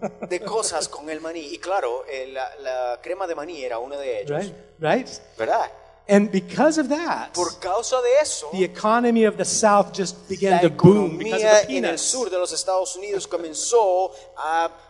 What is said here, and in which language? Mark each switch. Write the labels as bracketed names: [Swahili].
[Spanish] De cosas con el maní, y claro, la crema de maní era una de ellos. [English] Right, right. [Spanish] ¿Verdad? [English] And because of that, [Spanish] por causa de eso, [English] the economy of the South just began to boom because of the peanuts. [Spanish] En el sur de los Estados Unidos comenzó a